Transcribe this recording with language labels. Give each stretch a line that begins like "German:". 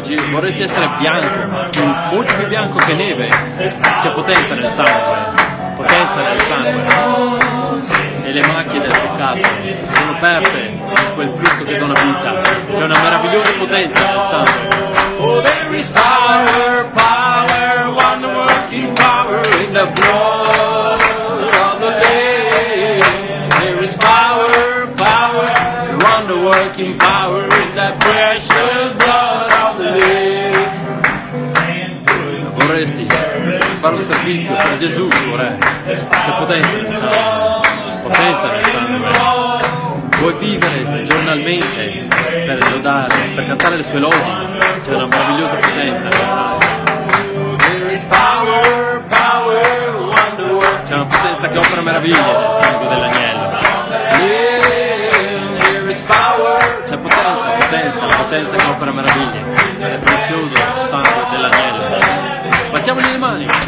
Italian: Vorresti essere bianco, molto più bianco che neve. C'è potenza nel sangue, potenza nel sangue. E le macchie del peccato sono perse in quel flusso che dona vita. C'è una meravigliosa potenza nel sangue.
English: Oh, there is power, power, one working power in the blood of the Lamb. There is power, power, one working power in the precious blood of the Lamb.
Italian: Vorresti fare un servizio per Gesù, Re? C'è potenza nel sangue, potenza nel sangue. Vuoi vivere giornalmente per lodare, per cantare le sue lodi? C'è una meravigliosa potenza nel sangue.
English: There is power, power, wonderwork.
Italian: C'è una potenza che opera meraviglie nel sangue dell'agnello.
English: There is power.
Italian: C'è potenza, potenza, potenza che opera meraviglie nel prezioso sangue dell'agnello. Battiamogli le mani.